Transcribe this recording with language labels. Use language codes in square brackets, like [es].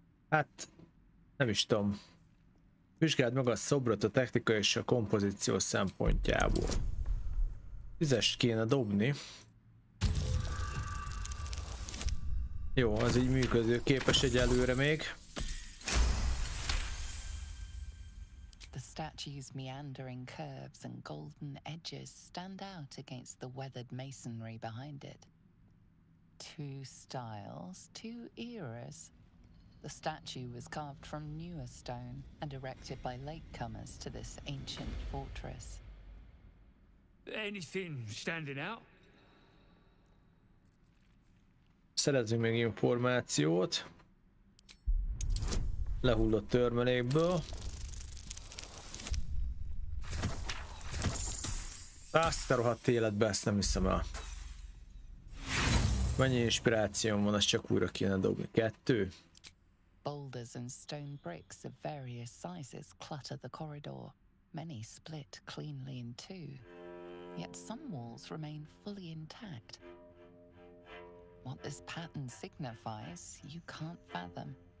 [hu] Hát nem is tudom. Vizsgáld meg a szobrot a technika és a kompozíció szempontjából. Tízest kéne dobni. Jó, az így működő képes egyelőre még. [en] The statue's meandering curves and golden edges stand out against the weathered masonry behind it. Two styles, two eras. The statue was carved from newer stone and erected by latecomers to this ancient fortress. Anything standing out? [hu] Szerezzünk még információt. Lehullott törmelékből. Azt a rohadt életbe, ezt nem hiszem el. Mennyi inspirációm van, azt csak újra kéne dobni. Kettő. [en] Boulders and stone bricks of various sizes clutter the corridor. Many split cleanly in two. Yet some walls remain fully intact. What this pattern signifies, you can't fathom.